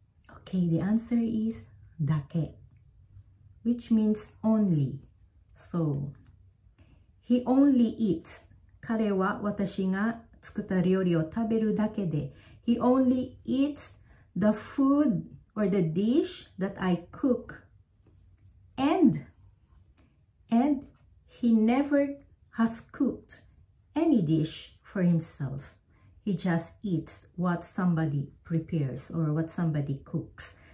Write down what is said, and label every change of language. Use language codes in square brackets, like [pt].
[en] Okay, the answer is dake, which means only. So, he only eats. [ja] 彼は私が作った料理を食べるだけで。 [en] He only eats the food or the dish that I cook. And he never has cooked any dish for himself. He just eats what somebody prepares or what somebody cooks.